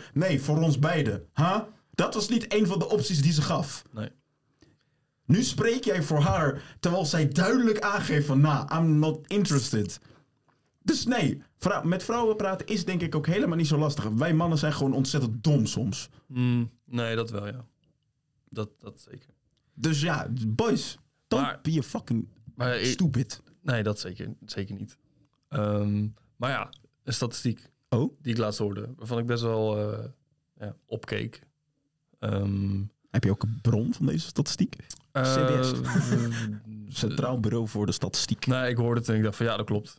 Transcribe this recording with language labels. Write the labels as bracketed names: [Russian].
[Dutch] Nee, voor ons beiden. Huh? Dat was niet een van de opties die ze gaf. Nee. Nu spreek jij voor haar, terwijl zij duidelijk aangeeft van, [English] nah, I'm not interested. [Dutch] Dus nee, met vrouwen praten is denk ik ook helemaal niet zo lastig. Wij mannen zijn gewoon ontzettend dom soms. Nee, dat wel, ja. Dat zeker. Dus ja, [English] boys, don't be a fucking stupid. [Dutch] Nee, dat zeker niet. Maar ja, een statistiek die ik laatst hoorde, waarvan ik best wel opkeek. Heb je ook een bron van deze statistiek? CBS. Centraal Bureau voor de Statistiek. Nee, ik hoorde het en ik dacht van ja, dat klopt.